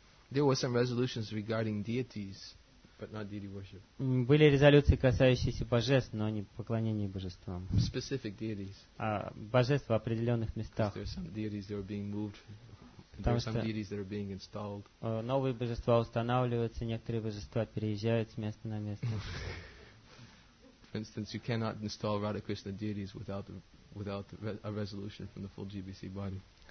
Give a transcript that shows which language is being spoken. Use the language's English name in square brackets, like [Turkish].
[English] There were some resolutions regarding deities, but not deity worship. [Russian] Были резолюции, касающиеся божеств, но не поклонения божествам. [English] Specific deities. [Russian] Божеств в определенных местах. [English] There are some deities that are being moved. There are some deities that are being installed. [Russian] Новые божества устанавливаются, некоторые божества переезжают с места на место. [English] For instance, you cannot install Radha Krishna deities without a resolution from the full GBC body.